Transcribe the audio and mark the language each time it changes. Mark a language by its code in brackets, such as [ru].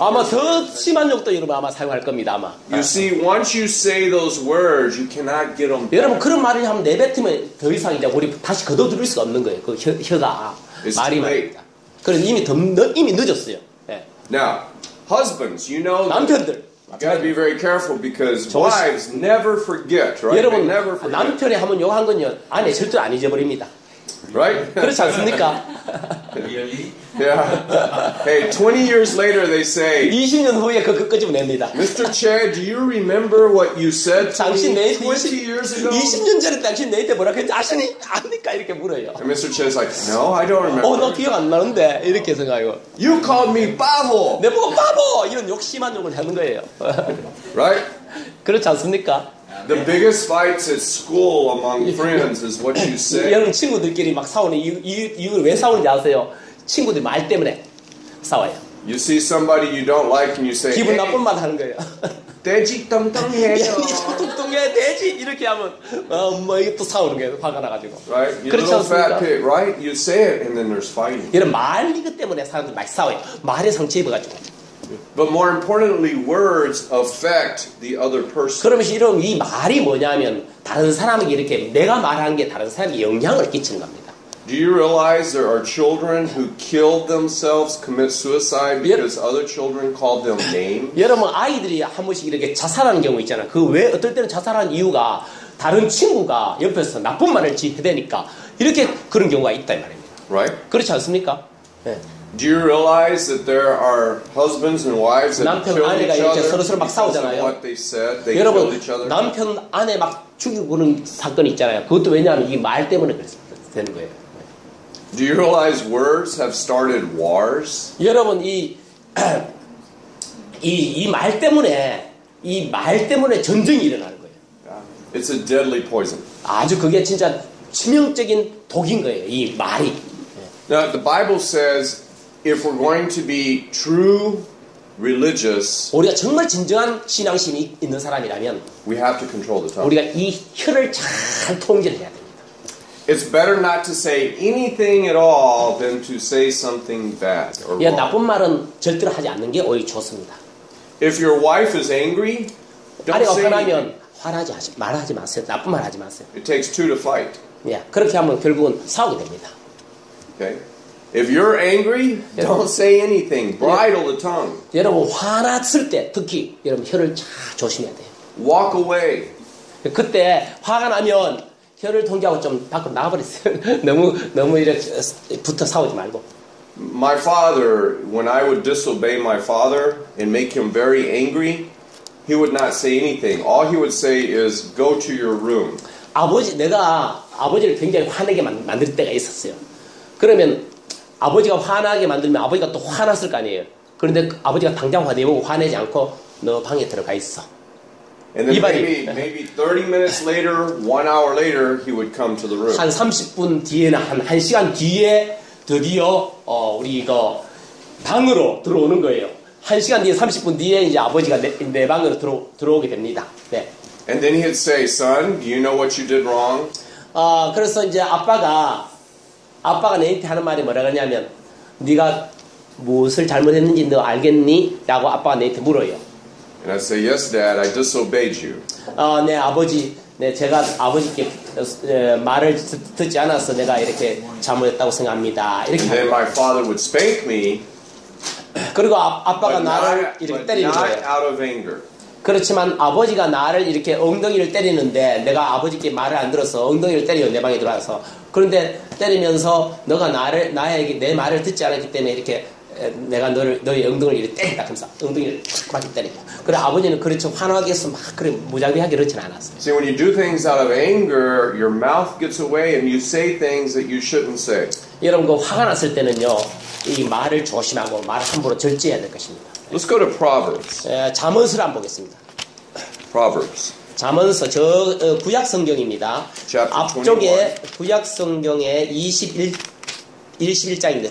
[ko] 아마 더 심한 욕도 여러분 아마 사용할 겁니다 아마. [en] You see, once you say those words, you cannot get them. [ko] 여러분 그런 말을 하면 내뱉으면 더 이상 이제 우리 다시 거둬들일 수 없는 거예요. 그 혀가 말이 말입니다. 그래서 이미 늦었어요. 예. [en] Now, husbands, you know. [ko] 남편들. [en] You got to be very careful because wives never forget, right? [ko] 여러분 [en] never forget. [ko] 남편이 한번 욕한 건요 아내 절대 안 잊어버립니다. [en] Right? [ko] 그렇지 않습니까? [en] Yeah. Hey, 20 years later, they say. [ko] 20년 후에 그 끝까지면 냅니다. [en] Mr. Che, do you remember what you said to me 20 years ago? [ko] 20년 전에 당신 내한테 뭐라 그랬지? 아니까 이렇게 물어요. [en] And Mr. Che's like, no, I don't remember. [ko] 나 기억 안 나는데 이렇게 생각하고. [en] You called me 바보. [ko] 내 보고 바보 이런 욕심한 욕을 하는 거예요. [en] Right? [ko] 그렇지 않습니까? [en] The biggest fights at school among friends is what you say. [ko] 여러분 친구들끼리 막 싸우는 이유 왜 싸우는지 아세요? 친구들 말 때문에 싸워요. [en] You see somebody you don't like and you say [ko] 기분 나쁜 말 하는 거예요. 돼지 똥똥해요. 돼지 똥똥해, 돼지 이렇게 하면 뭐 이게 또 싸우는 거예요. 화가 나가지고. [en] Right, you little fat pig, right? You say it, and then there's fighting. [ko] 이런 말 이것 때문에 사람들 막 싸워요. 말에 상처 입어가지고. [en] But more importantly, words affect the other person. [ko] 그러면 이런 이 말이 뭐냐면 다른 사람에게 이렇게 내가 말한 게 다른 사람에게 영향을 끼치는 겁니다. [en] Do you realize there are children who killed themselves, commit suicide because other children called them names? [ko] 여러분 아이들이 한 번씩 이렇게 자살하는 경우 있잖아. 그 왜 어떨 때는 자살한 이유가 다른 친구가 옆에서 나쁜 말을 지대니까 이렇게 그런 경우가 있다 말입니다. [en] Right? [ko] 그렇지 않습니까? 네. [en] Do you realize that there are husbands and wives that kill each other? [ko] 서로서로 막 싸우잖아요. [en] What they said, they [ko] 여러분 [en] killed each other. [ko] 남편 아내 막 죽이고는 사건 있잖아요. 그것도 왜냐하면 이 말 때문에 그랬다는 거예요. [en] Do you realize words have started wars? [ko] 여러분 이 말 때문에 전쟁이 일어나는 거예요. [en] It's a deadly poison. [ko] 아주 그게 진짜 치명적인 독인 거예요. 이 말이. [en] Now the Bible says if we're going to be true religious, [ko] 우리가 정말 진정한 신앙심이 있는 사람이라면 [en] we have to control the tongue. [ko] 우리가 이 혀를 잘 통제해야 돼. [en] It's better not to say anything at all than to say something bad or wrong. [ko] 예, 나쁜 말은 절대로 하지 않는 게 오히려 좋습니다. [en] If your wife is angry, don't say anything. [ko] 화나면 화나지 말하지 마세요. 나쁜 말 하지 마세요. [en] It takes two to fight. [ko] 예, 그렇게 하면 결국은 싸우게 됩니다. [en] Okay. If you're angry, don't say anything. Bridle the tongue. [ko] 여러분 화났을 때 특히 여러분 혀를 잘 조심해야 돼요. [en] Walk away. [ko] 그때 화가 나면 혀를 통제하고 좀 밖으로 나와버렸어요. 너무 이렇게 붙어 싸우지 말고. [en] My father, when I would disobey my father and make him very angry, he would not say anything. All he would say is, go to your room. [ko] 내가 아버지를 굉장히 화나게 만들 때가 있었어요. 그러면 아버지가 화나게 만들면 아버지가 또 화났을 거 아니에요. 그런데 아버지가 당장 화내지 않고 너 방에 들어가 있어. [en] And then maybe 30 minutes later, 1 hour later, he would come to the room. [ko] 한 30분 뒤에나 한 1시간 뒤에 드디어 우리 이거 방으로 들어오는 거예요. 1시간 뒤에 30분 뒤에 이제 아버지가 내 방으로 들어오게 됩니다. 네. [en] And then he'd say, "Son, do you know what you did wrong?" [ko] 그래서 이제 아빠가 내한테 하는 말이 뭐라 그러냐면 네가 무엇을 잘못했는지 너 알겠니? 라고 아빠가 내한테 물어요. And I say, yes, Dad, I disobeyed you. 네, 아버지. 네, 제가 아버지께 말을 듣지 않아서 내가 이렇게 잘못했다고 생각합니다. 이렇게 [en] and then my father would spank me. [ko] 그리고 아빠가 나를 이렇게 때리는 거예요. But not out of anger. 그렇지만 아버지가 나를 이렇게 엉덩이를 때리는데 내가 아버지께 말을 안 들어서 엉덩이를 때려요, 내 방에 들어와서. 그런데 때리면서 너가 나에게 내 말을 듣지 않았기 때문에 이렇게 내가 너의 엉덩이를 이렇게 때린다 하면서 엉덩이를 탁 맞게 때린다. 그래 아버지는 그렇죠 환하게 해서 막 그래 무장비하게 그렇진 않았어요. [en] See, when you do things out of anger, your mouth gets away and you say things that you shouldn't say. [ko] 여러분 그 화가 났을 때는요, 이 말을 조심하고 말을 함부로 절제해야 될 것입니다. [en] Let's go to Proverbs. [ko] 잠언서 한번 보겠습니다. [en] Proverbs. [ko] 잠언서 저 구약 성경입니다. 앞쪽에 구약 성경의 21장입니다.